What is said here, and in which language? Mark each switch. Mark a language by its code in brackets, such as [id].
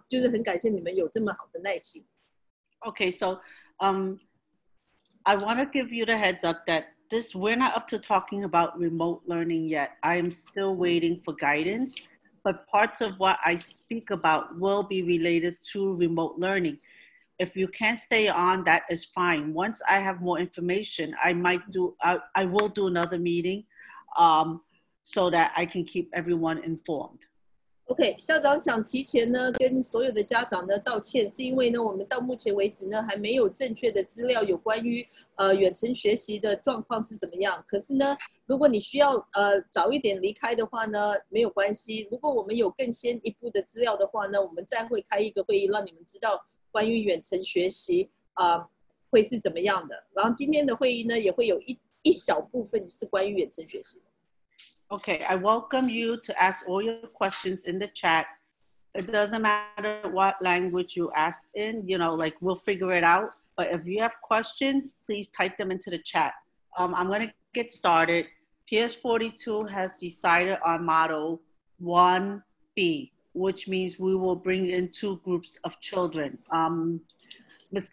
[zh] 所以呢，他很感谢你今天啊，就是很感谢你们有这么好的耐心。Okay, [en] so I want to give you the heads up that this we're not up to talking about remote learning yet. I am still waiting for guidance, but parts of what I speak about will be related to remote learning. If you can't stay on, that is fine. Once I have more information, I will do another meeting, so that I can keep everyone informed. [zh] OK, 校长想提前呢跟所有的家长呢道歉，是因为呢我们到目前为止呢还没有正确的资料有关于远程学习的状况是怎么样。可是呢，如果你需要早一点离开的话呢，没有关系。如果我们有更先一步的资料的话呢，我们再会开一个会议让你们知道关于远程学习会是怎么样的。然后今天的会议呢也会有一小部分是关于远程学习。 [en] Okay, I welcome you to ask all your questions in the chat. It doesn't matter what language you asked in, you know, like we'll figure it out. But if you have questions, please type them into the chat. I'm gonna get started. PS42 has decided on model 1B, which means we will bring in two groups of children. Ms.